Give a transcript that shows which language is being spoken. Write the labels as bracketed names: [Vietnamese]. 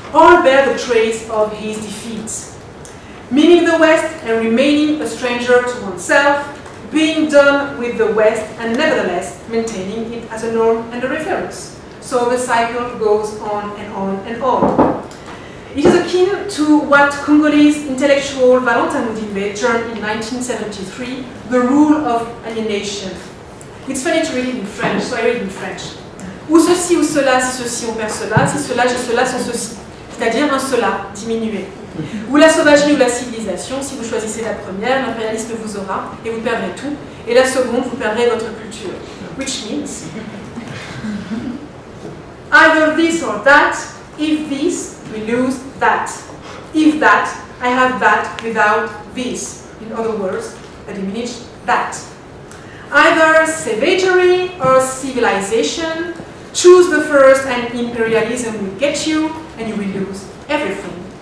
[English] all bear the trace of his defeat. Meaning the West and remaining a stranger to oneself, being done with the West and nevertheless maintaining it as a norm and a reference. So the cycle goes on and on and on. It is akin to what Congolese intellectual Valentin Ndimbe termed in 1973 the rule of alienation. It's funny to read it in French, so I read it in French. [French] Ou ceci ou cela, si ceci on perd cela, si cela je cela sans ceci. C'est-à-dire un cela diminué. Ou la sauvagerie ou la civilisation, si vous choisissez la première, l'impérialisme vous aura et vous perdrez tout, et la seconde, vous perdrez votre culture. [English] Which means, either this or that, if this, we lose that. If that, I have that without this. In other words, I diminish that. Either savagery or civilization, choose the first and imperialism will get you and you will lose everything.